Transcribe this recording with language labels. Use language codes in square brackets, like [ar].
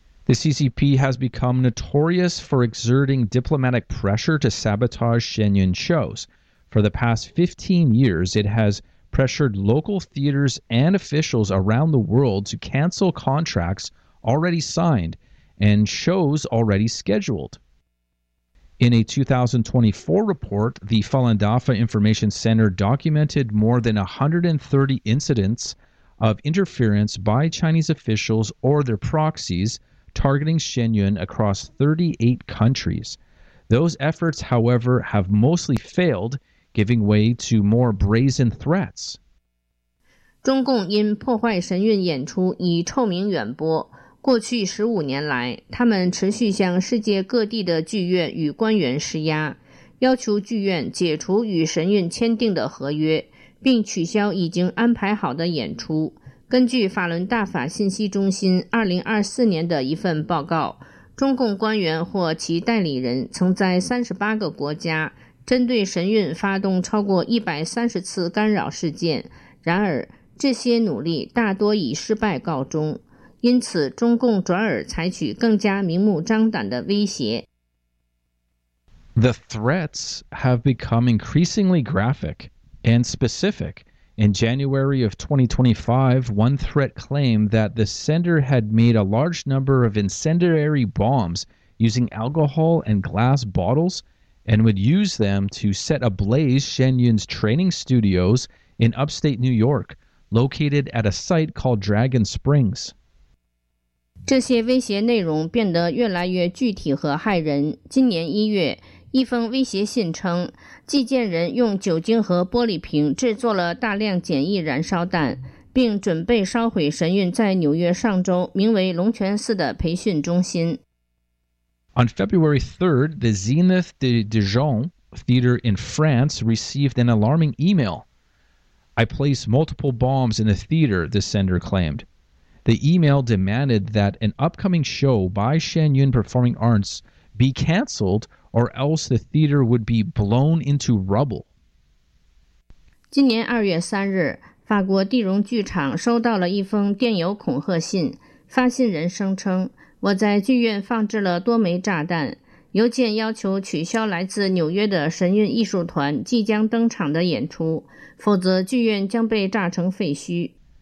[en] The CCP has become notorious for exerting diplomatic pressure to sabotage Shenyun shows. For the past 15 years, it has pressured local theaters and officials around the world to cancel contracts already signed and shows already scheduled. In a 2024 report, the Falun Dafa Information Center documented more than 130 incidents of interference by Chinese officials or their proxies targeting Shenyun across 38 countries. Those efforts, however, have mostly failed, giving way to more brazen threats. [zh] 中共因破坏神韵演出已臭名远播，过去15年来，他们持续向世界各地的剧院与官员施压，要求剧院解除与神韵签订的合约，并取消已经安排好的演出。根据法轮大法信息中心2024年的一份报告，中共官员或其代理人曾在38个国家针对神韵发动超过130次干扰事件，然而这些努力大多以失败告终，因此中共转而采取更加明目张胆的威胁。 [en] The threats have become increasingly graphic and specific. In January of 2025, one threat claimed that the sender had made a large number of incendiary bombs using alcohol and glass bottles, and would use them to set ablaze Shenyun's training studios in upstate New York, located at a site called Dragon Springs. [zh] 这些威胁内容变得越来越具体和骇人。今年一月，一封威胁信称，寄件人用酒精和玻璃瓶制作了大量简易燃烧弹，并准备烧毁神韵在纽约上州名为龙泉寺的培训中心。 [en] On February 3rd, the Zenith de Dijon theater in France received an alarming email. "I placed multiple bombs in the theater," the sender claimed. The email demanded that an upcoming show by Shenyun Performing Arts be canceled or else the theater would be blown into rubble. [zh] 今年2月3日，法国地荣剧场收到了一封电邮恐吓信，发信人声称，我在剧院放置了多枚炸弹，邮件要求取消来自纽约的神韵艺术团即将登场的演出，否则剧院将被炸成废墟。